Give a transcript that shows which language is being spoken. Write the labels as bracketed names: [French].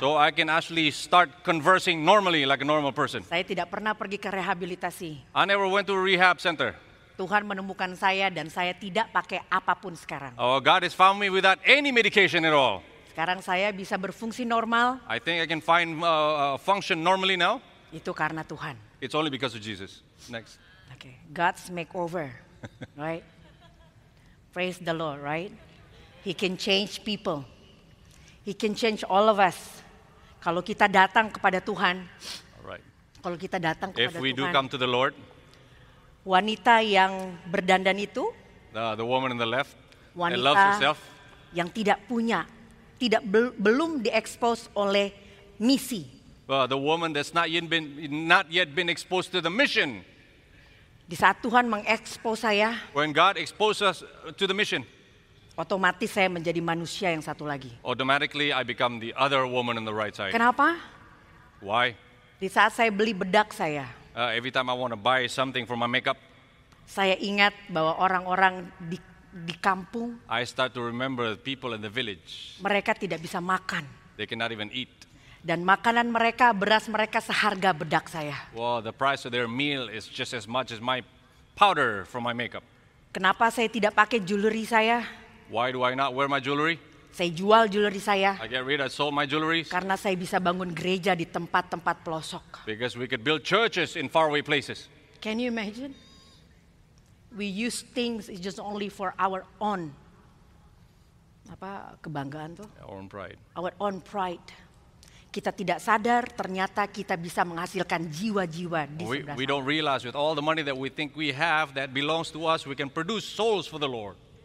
[English] So I can actually start conversing normally like a normal person. [Indonesian] Saya tidak pernah pergi ke rehabilitasi. [English] I never went to a rehab center. [Indonesian] Tuhan menemukan saya dan saya tidak pakai apapun sekarang. [English] Oh, God has found me without any medication at all. [Indonesian] Sekarang saya bisa berfungsi normal. [English] I think I can find function normally now. [Indonesian] Itu karena Tuhan. [English] It's only because of Jesus. Next. Okay. God's makeover, right? Praise the Lord, right? He can change people. He can change all of us. [Indonesian] Kalau kita datang kepada Tuhan. [English] All right. [Indonesian] Kalau kita datang kepada Tuhan. [English] If we do come to the Lord. [Indonesian] Wanita yang berdandan itu. [English] The woman on the left. [Indonesian] Wanita [English] and loves herself. [Indonesian] Yang tidak punya. Tidak belum diekspos oleh misi. [English] Well, the woman that's not yet been exposed to the mission. [Indonesian] Di saat Tuhan mengekspos saya. [English] When God exposes us to the mission. [Indonesian] Otomatis saya menjadi manusia yang satu lagi. [English] Automatically I become the other woman on the right side. [Indonesian] Kenapa? [English] Why? [Indonesian] Di saat saya beli bedak saya. [English] Every time I want to buy something for my makeup. [Indonesian] Saya ingat bahwa orang-orang di kampung. [English] I start to remember people in the village. [Indonesian] Mereka tidak bisa makan. [English] They cannot even eat. [Indonesian] Dan makanan mereka, beras mereka seharga bedak saya. [English] Well, the price of their meal is just as much as my powder for my makeup. [Indonesian] Kenapa saya tidak pakai jewelry saya? [English] Why do I not wear my jewelry? [Indonesian] Saya jual jewelry saya. [English] I get rid of sold my jewelry. [Indonesian] Karena saya bisa bangun gereja di tempat-tempat pelosok. [English] Because we could build churches in faraway places. Can you imagine? we use things is just only for our own [Indonesian] apa kebanggaan tuh? [English] Our own pride. Our own pride. [Indonesian] Kita tidak sadar ternyata kita bisa menghasilkan jiwa-jiwa di sebelah sana. [English] We don't realize with all the money that we think we have that belongs to us, we can produce souls for the Lord.